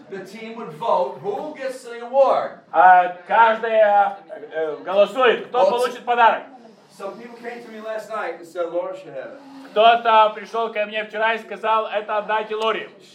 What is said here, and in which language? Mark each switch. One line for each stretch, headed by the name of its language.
English: the team would vote who gets the award.
Russian: Каждое голосует, кто получит подарок.
English: Some people came to me last night and said Laura should have it.
Russian: Кто-то пришел ко мне вчера и сказал, это отдайте Лоре.